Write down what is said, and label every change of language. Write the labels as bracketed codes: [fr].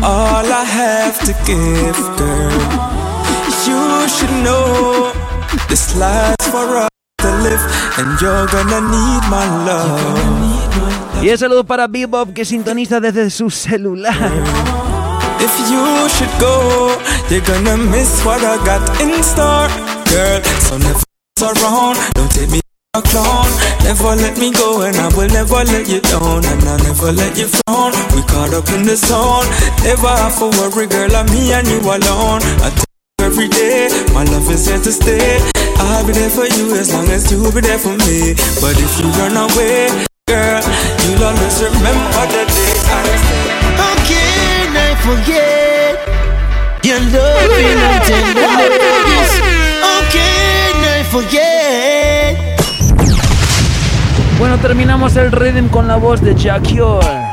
[en] All I have to give, girl, you should know. This life's for us to live, and you're gonna need my love. [es] Y un saludo para Bebop, que sintoniza desde su celular. [en] If you should go, you're gonna miss what I got in store, girl. So never mess around, don't take me a clone. Never let me go and I will never let you down. And I'll never let you frown. We caught up in the zone. Never have to worry, girl, I'm me and you alone. I tell you every day, my love is here to stay. I'll be there for you as long as you be there for me. But if you run away, girl, you'll always remember the day I said. How can I forget your love in my tenderness? How can I forget? [es] Bueno, terminamos el rhythm con la voz de Jack Yor.